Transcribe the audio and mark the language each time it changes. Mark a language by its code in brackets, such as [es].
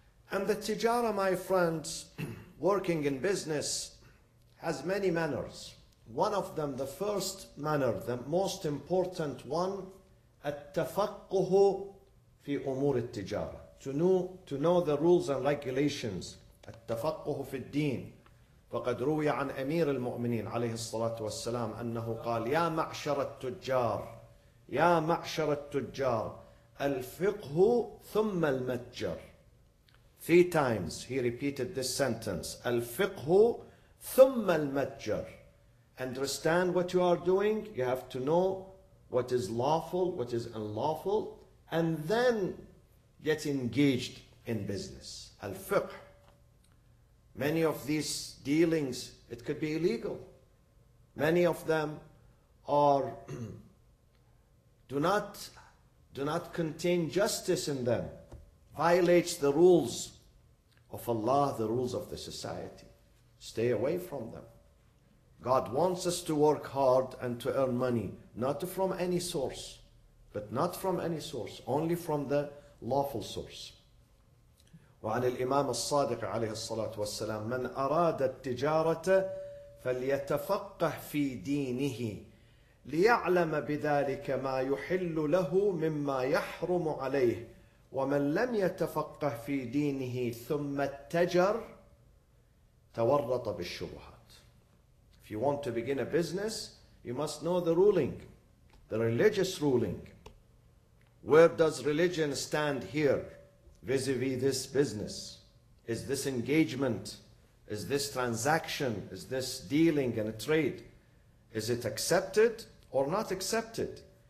[en] And the tijara, my friends, working in business, has many manners. One of them, the first manner, the most important one, [ar] at-tafaqquhu fi umur at-tijara. [en] To know the rules and regulations. [ar] At-tafaqquhu fi al-deen. فقد روي عن أمير المؤمنين عليه الصلاة والسلام أنه قال يا معشر التجار يا معشر التجار الفقه ثم المتجر. [en] Three times he repeated this sentence. [ar] الفقه ثم المتجر. [en] Understand what you are doing. You have to know what is lawful, what is unlawful, and then get engaged in business. [ar] الفقه. [en] Many of these dealings, it could be illegal. Many of them are do not contain justice in them, violates the rules of Allah, the rules of the society. Stay away from them. God wants us to work hard and to earn money, not from any source, only from the lawful source. [ar] وعن الإمام الصادق عليه الصلاة والسلام من أراد التجارة فليتفقه في دينه ليعلم بذلك ما يحل له مما يحرم عليه ومن لم يتفقه في دينه ثم التجر تورط بالشبهات. [en] If you want to begin a business, you must know the ruling, the religious ruling. Where does religion stand here? Vis-a-vis this business, is this engagement, is this transaction, is this dealing and a trade, is it accepted or not accepted?